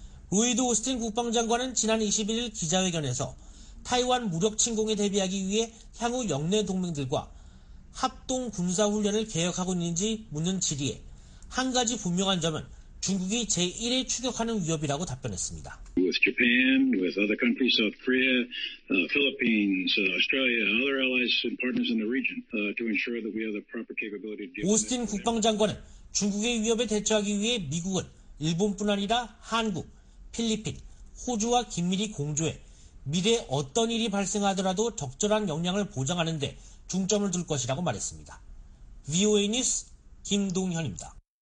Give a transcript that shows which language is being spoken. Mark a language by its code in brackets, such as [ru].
[ko] 로이드 오스틴 국방장관은 지난 21일 기자회견에서 타이완 무력 침공에 대비하기 위해 향후 역내 동맹들과 합동 군사훈련을 개혁하고 있는지 묻는 질의에 한 가지 분명한 점은 중국이 제1의 추격하는 위협이라고 답변했습니다. [en] With Japan, with other countries, South Korea, Philippines, Australia, and other allies and partners in the region to ensure that we have the proper capability to deal with [ko] 오스틴 국방장관은 중국의 위협에 대처하기 위해 미국은 일본뿐 아니라 한국, 필리핀, 호주와 긴밀히 공조해 미래 어떤 일이 발생하더라도 적절한 역량을 보장하는 데 중점을 둘 것이라고 말했습니다. VOA 뉴스 김동현입니다.